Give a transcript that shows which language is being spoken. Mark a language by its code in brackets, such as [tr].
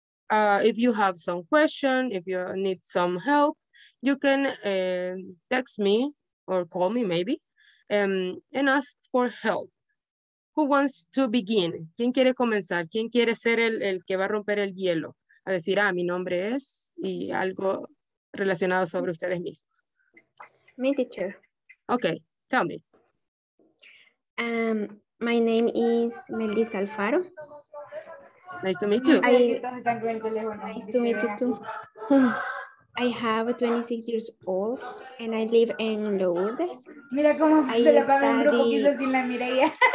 [en] If you have some question, if you need some help, you can text me or call me maybe and ask for help. Who wants to begin? [es] ¿Quién quiere comenzar? ¿Quién quiere ser el que va a romper el hielo? A decir, mi nombre es, y algo relacionado sobre ustedes mismos. [en] Me, teacher. Okay, tell me. My name is Melissa Alfaro. Nice to meet you. Nice to meet you too. I have 26 years old and I live in Lourdes. Mira cómo I se la paga un poquito sin la Mireia.